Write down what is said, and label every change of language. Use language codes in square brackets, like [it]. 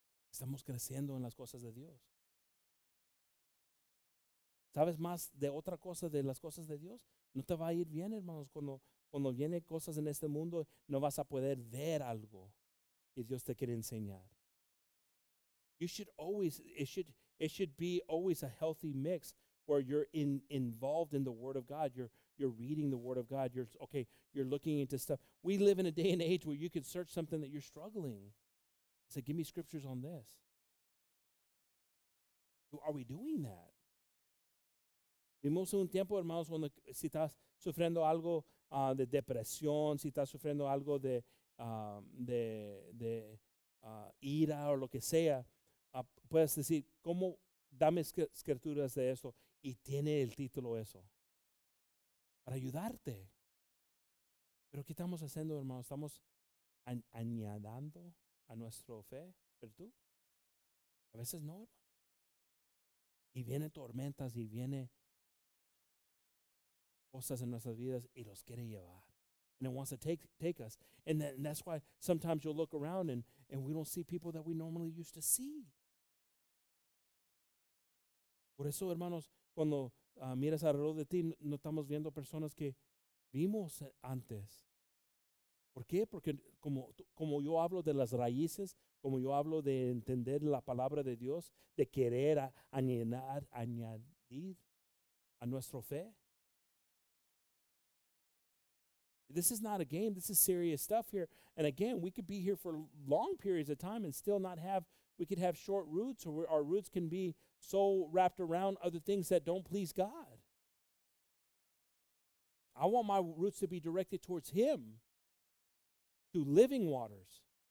[es] Estamos creciendo en las cosas de Dios. ¿Sabes más de otra cosa de las cosas de Dios? No te va a ir bien, hermanos. Cuando vienen cosas en este mundo, no vas a poder ver algo que Dios te quiere enseñar. [en] You should always, it should be always a healthy mix where you're involved in the Word of God. You're reading the Word of God. You're looking into stuff. We live in a day and age where you can search something that you're struggling. Say, give me scriptures on this. Are we doing that? [es] Vimos un tiempo, hermanos, cuando si estás sufriendo algo de depresión, si estás sufriendo algo de ira o lo que sea, puedes decir, ¿cómo dame escrituras de esto? Y tiene el título eso, para ayudarte. ¿Pero qué estamos haciendo, hermano? ¿Estamos añadiendo a nuestra fe? ¿Pero tú? A veces no, hermano. Y vienen tormentas y vienen cosas en nuestras vidas y los quiere llevar. [en] And it wants to take us. And that's why sometimes you'll look around and we don't see people that we normally used to see. [es] Por eso, hermanos, cuando miras alrededor de ti, no estamos viendo personas que vimos antes. ¿Por qué? Porque como yo hablo de las raíces, como yo hablo de entender la palabra de Dios, de querer añadir a nuestra fe. [en] This is not a game. This is serious stuff here. And again, we could be here for long periods of time and still not have, we could have short roots, or our roots can be so wrapped around other things that don't please God. I want my roots to be directed towards Him, to living waters.